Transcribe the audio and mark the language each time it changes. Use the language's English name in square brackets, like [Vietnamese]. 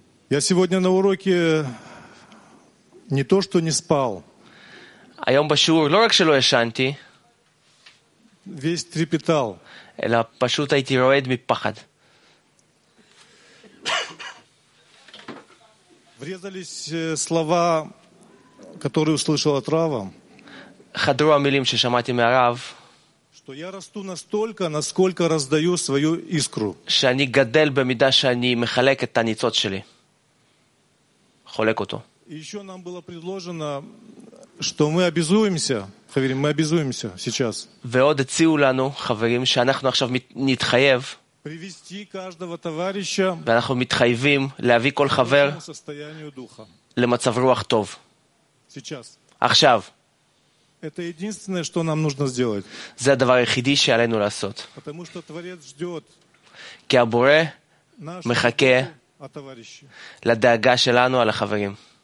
[Russian] Я сегодня на уроке не то, что не спал. [Hebrew] היום בשיעור לא רק שלא ישנתי. [Russian] Весь трепетал. [Hebrew] אלא פשוט הייתי רועד מפחד. [Russian] Врезались слова, которые услышал от Рава. [Hebrew] Хадру амилим ששמעתי מהרב. [Russian] Что я расту настолько, насколько раздаю свою искру. [Hebrew] שאני גדל במידה שאני מחלק את הניצות שלי. חולק אותו. [Russian] Ещё нам было предложено, что мы обязуемся, [Hebrew] חברים, [Russian] мы обязуемся сейчас. [Hebrew] ועוד הציעו לנו, חברים, שאנחנו עכשיו נתחייב. [Russian] привести каждого товарища [Hebrew] ואנחנו מתחייבים להביא כל חבר [Russian] состоянию духа [Hebrew] למצב רוח טוב [Russian] сейчас [Hebrew] עכשיו [Russian] это единственное что нам нужно сделать [Hebrew] זה הדבר היחידי שעלינו לעשות [Russian] потому что творец ждёт [Hebrew] כי הבורא מחכה לדאגה שלנו על החברים